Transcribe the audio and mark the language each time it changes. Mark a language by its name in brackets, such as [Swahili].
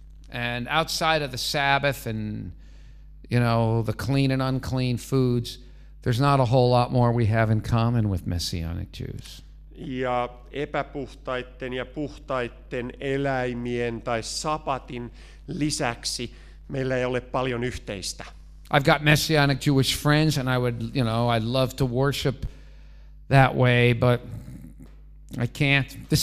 [English] And outside of the Sabbath and, you know, the clean and unclean foods, there's not a whole lot more we have in common with Messianic Jews. [Finnish] Ja epäpuhtaitten ja puhtaitten eläimien tai sapatin lisäksi meillä ei ole paljon yhteistä. [English] I've got messianic Jewish friends and I would, you know, I'd love to worship that way, but I can't.